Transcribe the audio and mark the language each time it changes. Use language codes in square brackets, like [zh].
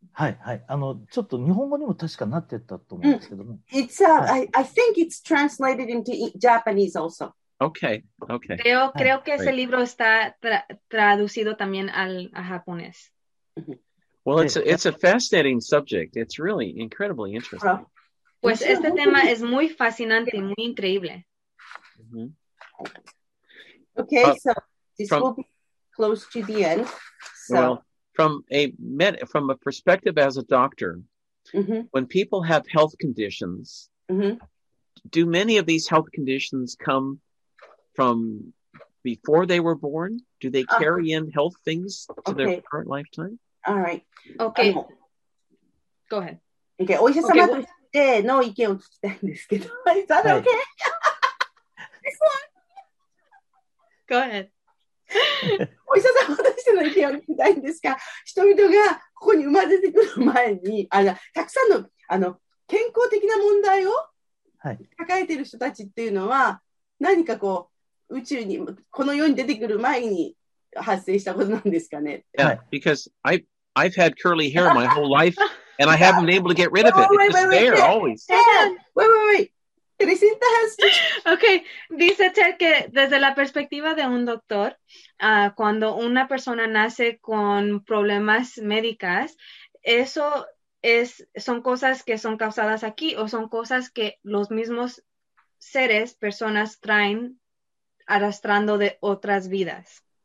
[ja] はいはい、ちょっと日本語にも確かなってたと思うんですけども。 [en] It's I think it's translated into Japanese also. Okay. [es] Creo que ese libro está traducido también al japonés. [en] Well, it's a fascinating subject. It's really incredibly interesting. [es] Pues este tema es muy fascinante y muy increíble. [en] Mm-hmm. Okay, so this will be close to the end. So. Well, from a perspective as a doctor, mm-hmm. when people have health conditions, mm-hmm. do many of these health conditions come from before they were born? Do they carry in health things to their current lifetime? All right. Okay. Go ahead. [ja] Okay, お医者様での意見を聞きたいんですけど。 [en] Is that okay? This one? Go ahead. [ja] お医者様としての意見を聞きたいんですが、人々がここに生まれてくる前に、たくさんの、健康的な問題を抱えている人たちっていうのは、何かこう、宇宙に、この世に出てくる前に発生したことなんですかね。 [en] Yeah, because I've had curly hair my whole life. And I haven't been able to get rid of it. Wait. Teresita has. Okay. [es] Dice Ted que desde la perspectiva de un doctor, cuando una persona nace con problemas médicas, eso es son cosas que son causadas aquí o son cosas que los mismos seres, personas traen arrastrando de otras vidas.